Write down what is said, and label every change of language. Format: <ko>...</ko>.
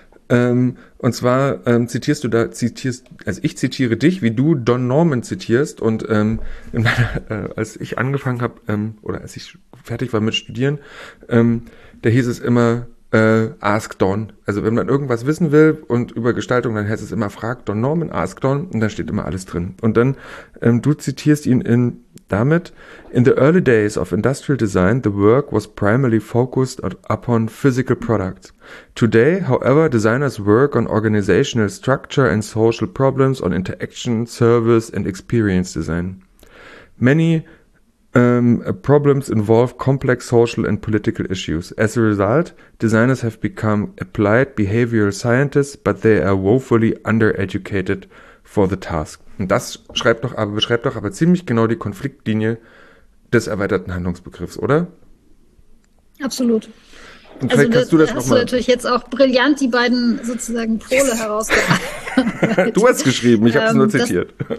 <de>Und zwar zitierst du da, zitierst, also ich zitiere dich, wie du Don Norman zitierst. Und als ich angefangen habe, oder als ich fertig war mit Studieren, da hieß es immer,</de> <en>ask Don.</en> <de>Also wenn man irgendwas wissen will und über Gestaltung, dann heißt es immer, frag Don Norman,</de> <en>ask Don.</en> <de>Und da steht immer alles drin. Und dann, du zitierst ihn in damit,</de> <en>in the early days of industrial design, the work was primarily focused upon physical products. Today, however, designers work on organizational structure and social problems, on interaction, service and experience design. Many problems involve complex social and political issues. As a result, designers have become applied behavioral scientists, but they are woefully undereducated for the task.</en> <de>Und das beschreibt doch aber ziemlich genau die Konfliktlinie des erweiterten Handlungsbegriffs, oder? Absolut. Und also kannst du das hast noch mal du natürlich jetzt auch brillant die beiden sozusagen Pole herausgearbeitet. Du hast geschrieben, ich habe es nur zitiert.</de>